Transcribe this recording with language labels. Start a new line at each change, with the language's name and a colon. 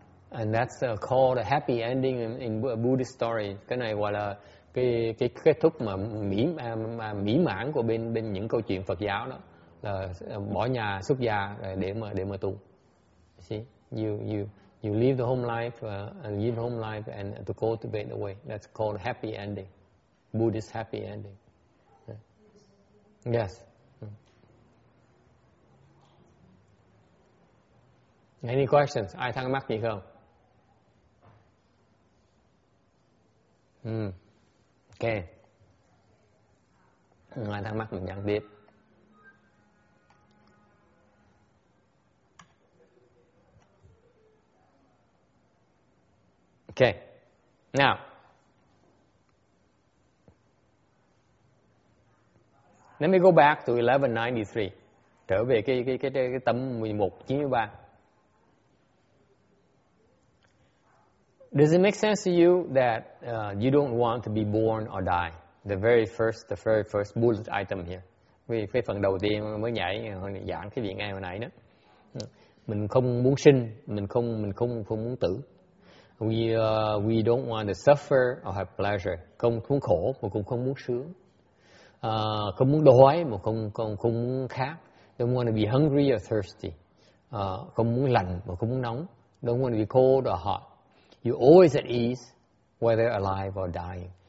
English: And that's called a happy ending in a Buddhist story.
Vietnamese: Cái này gọi là cái kết thúc mà mỹ mãn của bên những câu chuyện Phật giáo đó, là bỏ nhà xuất gia để mà tu.
English: See, you leave the home life and to cultivate the way. That's called a happy ending, Buddhist happy ending. Yes. Any questions?
Vietnamese: Ai thắc mắc gì không?
English: Okay.
Vietnamese: Ai thắc mắc mình nhận tiếp.
English: Okay. Now. Let me go back to 1193.
Vietnamese: Trở về cái tấm 1193.
English: Does it make sense to you that you don't want to be born or die? The very first bullet item here.
Vietnamese: Vì cái phần đầu tiên mới nhảy giảng cái vị ngay hồi nãy đó. Mình không muốn sinh, mình không muốn tử.
English: We don't want to suffer or have pleasure.
Vietnamese: Không muốn khổ mà cũng không muốn sướng. Không muốn đói mà không muốn khát.
English: Don't want to be hungry or thirsty.
Vietnamese: Không muốn lạnh mà không muốn nóng.
English: Don't want to be cold or hot. You're always at ease, whether alive or dying.